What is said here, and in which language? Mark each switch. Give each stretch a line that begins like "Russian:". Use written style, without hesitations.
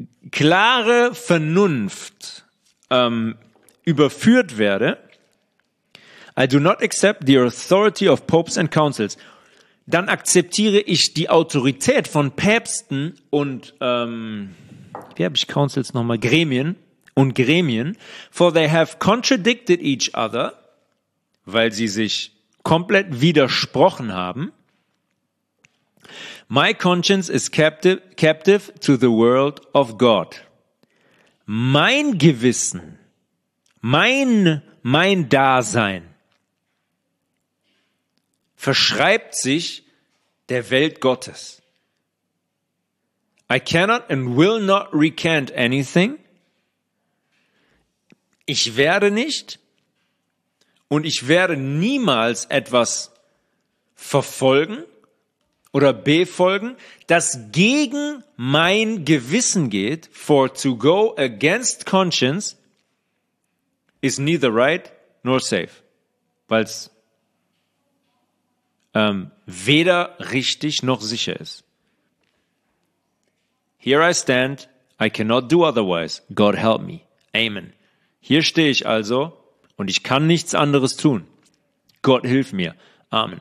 German: klare Vernunft überführt werde,
English: I do not accept the authority of popes and councils,
German: dann akzeptiere ich die Autorität von Päpsten und Gremien,
English: for they have contradicted each other,
German: weil sie sich komplett widersprochen haben.
English: My conscience is captive to the world of God.
German: Mein Gewissen, mein Dasein verschreibt sich der Welt Gottes.
English: I cannot and will not recant anything.
German: Ich werde nicht und ich werde niemals etwas verfolgen oder befolgen, das gegen mein Gewissen geht.
English: For to go against conscience is neither right nor safe.
German: Weil es weder richtig noch sicher ist.
English: Here I stand, I cannot do otherwise. God help me. Amen.
German: Hier stehe ich also und ich kann nichts anderes tun. Gott hilf mir. Amen.